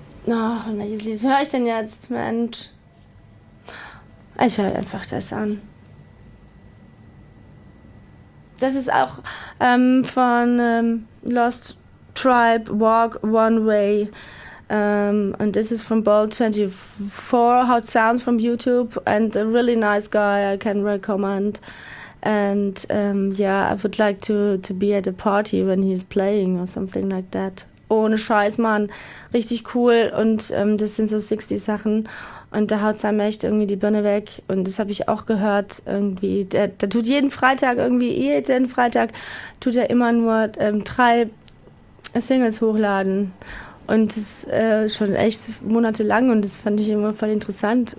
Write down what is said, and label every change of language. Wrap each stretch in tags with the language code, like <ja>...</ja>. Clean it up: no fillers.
<de>Ach, welches Lied höre ich denn jetzt, Mensch? Ich höre einfach das an. Das ist auch von Lost Tribe, Walk One Way.</de> <en>And this is from Bolt 24, how it sounds from YouTube. And a really nice guy I can recommend. And I would like to be at a party when he's playing or something like that.</en> <de>Ohne Scheiß, Mann. Richtig cool. Und das sind so 60 Sachen. Und da haut seinem echt irgendwie die Birne weg. Und das habe ich auch gehört. Irgendwie. Der tut jeden Freitag irgendwie, jeden Freitag tut er immer nur 3 Singles hochladen. Und das ist schon echt monatelang. Und das fand ich immer voll interessant.</de>